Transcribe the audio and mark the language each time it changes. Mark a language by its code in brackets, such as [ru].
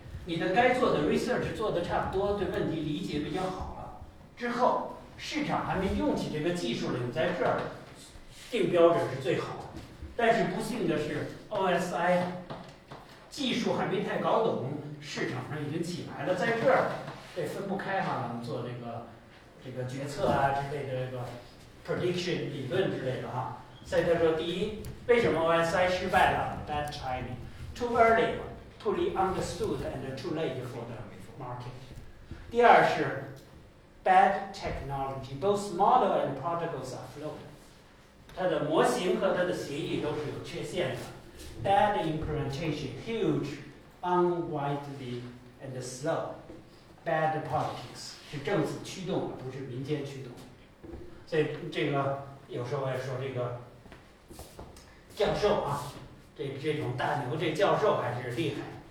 [zh] 你的该做的 research 做得差不多，对问题理解比较好了，之后市场还没用起这个技术来，你在这儿定标准是最好的。但是不幸的是 OSI 技术还没太搞懂，市场上已经起来了，在这儿得分不开哈，能做这个决策啊之类的，这个 prediction 理论之类的哈。所以他说，第一，为什么 OSI 失败了 [en] ？Bad timing, too early, poorly understood, and too late for the market. 第二是 bad technology, both model and protocols are flawed. [zh] 它的模型和它的协议都是有缺陷的。 [en] Bad implementation, huge, unwieldy, and slow. Bad politics [zh] 是政府驱动，不是民间驱动。所以这个有时候我也说这个。教授啊，这种大牛，这教授还是厉害。